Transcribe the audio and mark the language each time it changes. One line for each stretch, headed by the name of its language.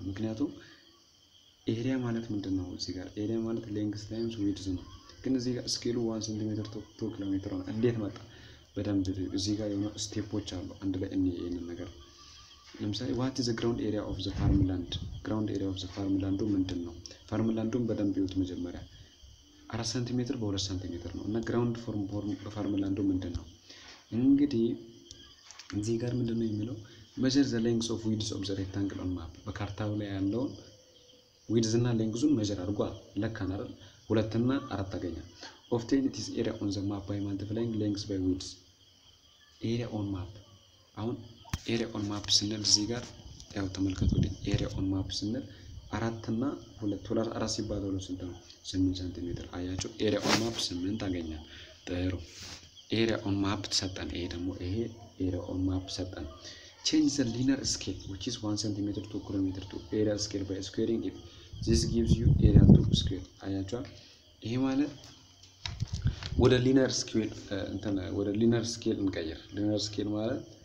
Amharic: ምክንያቱም ኤሪያ ማለት ምንድን ነው? እዚህ ጋር ኤሪያ ማለት
English: ሌንግስ ታይምስ ዊድዝ
Amharic: ነው። ግን እዚህ ጋር ስኬሉ 1 ሴንቲሜትር ቱ 2 ኪሎ ሜትር ነው። እንዴት መጣ? በደንብ እዚህ ጋር የሆነ ስቴፖች አሉ። አንድ ላይ እኔ ይሄንን ነገር ለምሳሌ
English: what is the ground area of the farmland? ground area of the farmland
Amharic: ምንድን ነው? farmlandን በደንብ ይውት መጀመሪያ 4 ሴንቲሜትር በ2 ሴንቲሜትር ነው። እና
English: ground form farmland
Amharic: ምንድን ነው? እንግዲህ እዚህ ጋር ምንድን ነው የሚለው
English: measure the length of width of the rectangle on map
Amharic: በካርታው ላይ ያለውን width እና length-ን measure አድርጓል ለካን አይደል? 2 እና 4 አገኘ።
English: obtain its area on the map by multiplying length by width area on map
Amharic: አሁን area on map ስንል እዚህ ጋር ያው ተመልከቱልኝ። area on map ስንል 4 እና 2 ዶላር 4 ሲባዛ 2 ስንት ነው? 8 ሴንቲሜትር። አያችሁ
English: area on map 8 አገኘን። ጥሩ area on map ተሰጠን።
Amharic: ይሄ ደግሞ ይሄ
English: area on map ተሰጠን። change the linear scale which is 1 ሴንቲሜትር to kilometer to area scale by squaring it this gives you area to square።
Amharic: አያችሁ ይሄ ማለት ወደ linear scale እንተና ወደ linear scale እንቀይር። linear scale ማለት